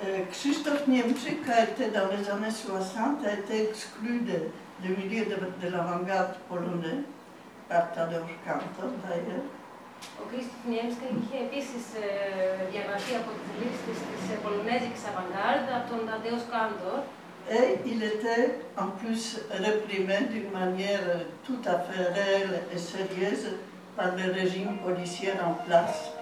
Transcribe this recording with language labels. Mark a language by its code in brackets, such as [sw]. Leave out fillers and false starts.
[fr] Krzysztof Niemczyk était dans les années 60, a été exclu du milieu de l'avant-garde polonais par Tadeusz Kantor, d'ailleurs. [el] Ο Κρίστοφ Νιέμσκα είχε επίσης διαγραφεί από τις λίστες της πολωνέζικης avant-garde από τον Tadeusz Kantor. [fr] Et il était en plus réprimé d'une manière tout à fait réelle et sérieuse par le régime policier en place.